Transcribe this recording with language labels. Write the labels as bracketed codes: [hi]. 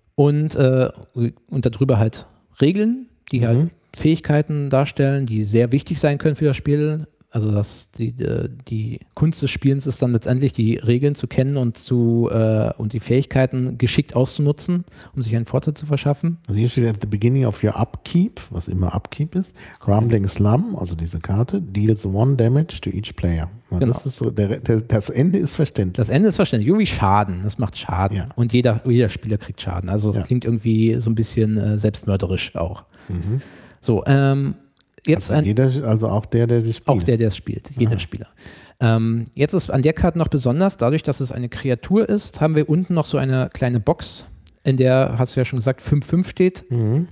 [de] Und darüber halt Regeln, die halt Fähigkeiten darstellen, die sehr wichtig sein können für das Spiel. Also das, die Kunst des Spielens ist dann letztendlich, die Regeln zu kennen und und die Fähigkeiten geschickt auszunutzen, um sich einen Vorteil zu verschaffen. Also hier steht [en] at the beginning of your upkeep, [de] was immer Upkeep ist, [en] Crumbling Slum, [de] also diese Karte, [en] deals one damage to each player. [de] Genau. Das ist so, das Ende ist verständlich. Das Ende ist verständlich. Irgendwie Schaden. Das macht Schaden. Ja. Und jeder Spieler kriegt Schaden. Also das klingt irgendwie so ein bisschen selbstmörderisch auch. Mhm. So, jetzt also, auch der das spielt. Auch der es spielt, jeder Spieler. Jetzt ist an der Karte noch besonders, dadurch, dass es eine Kreatur ist, haben wir unten noch so eine kleine Box, in der, hast du ja schon gesagt, 5-5 steht. Mhm.